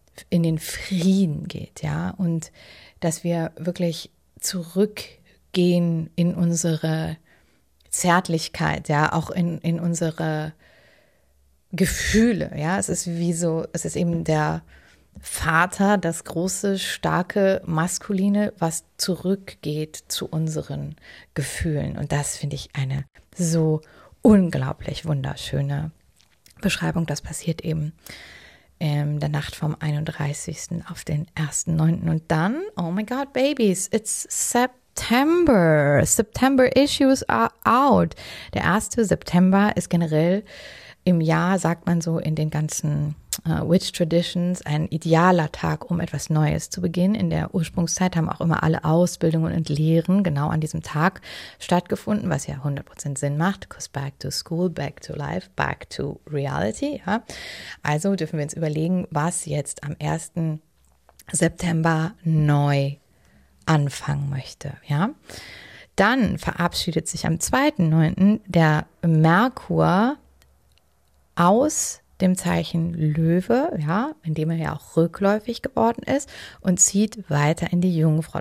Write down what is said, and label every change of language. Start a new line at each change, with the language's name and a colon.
German: in den Frieden geht, ja, und dass wir wirklich zurückgehen in unsere Zärtlichkeit, ja, auch in unsere Gefühle, ja, es ist wie so, es ist eben der Vater, das große, starke, maskuline, was zurückgeht zu unseren Gefühlen. Und das finde ich eine so unglaublich wunderschöne Beschreibung. Das passiert eben in der Nacht vom 31. auf den 1.9. Und dann,
English: oh my God, Babies, it's September. September issues are out.
German: Der 1. September ist generell im Jahr, sagt man so, in den ganzen Witch Traditions ein idealer Tag, um etwas Neues zu beginnen. In der Ursprungszeit haben auch immer alle Ausbildungen und Lehren genau an diesem Tag stattgefunden, was ja 100% Sinn macht.
English: Because back to school, back to life, back to reality.
German: Ja. Also dürfen wir uns überlegen, was jetzt am 1. September neu anfangen möchte. Ja. Dann verabschiedet sich am 2.9. der Merkur aus dem Zeichen Löwe, ja, in dem er ja auch rückläufig geworden ist, und zieht weiter in die Jungfrau.